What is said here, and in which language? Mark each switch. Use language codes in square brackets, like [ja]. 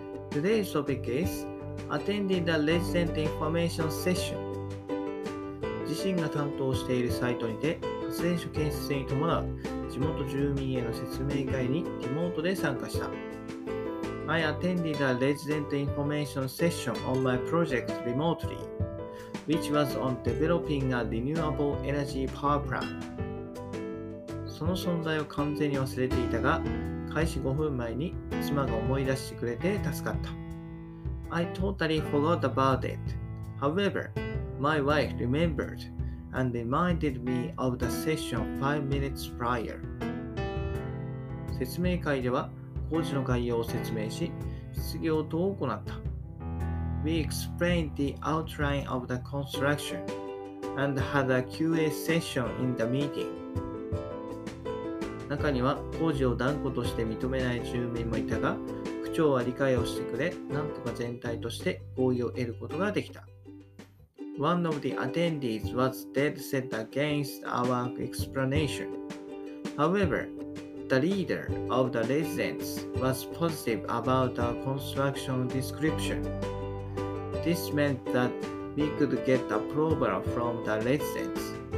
[en] Today's topic is attending the resident information session. [ja] 自身が担当しているサイトにて発電所建設に伴う地元住民への説明会にリモートで参加した。 [en] I attended the resident information session on my project remotely, which was on developing a renewable energy power plant. [ja] その存在を完全に忘れていたが、開始5分前に妻が思い出してくれて助かった。 [en] I totally forgot about it. However, my wife remembered and reminded me of the session 5 minutes prior. [ja] 説明会では、工事の概要を説明し、質疑応答を行った。 [en] We explained the outline of the construction and had a QA session in the meeting. [ja] 中には工事を断固として認めない住民もいたが、区長は理解をしてくれ、なんとか全体として合意を得ることができた。 [en] One of the attendees was dead set against our explanation. However,The leader of the residents was positive about our construction description. This meant that we could get approval from the residents.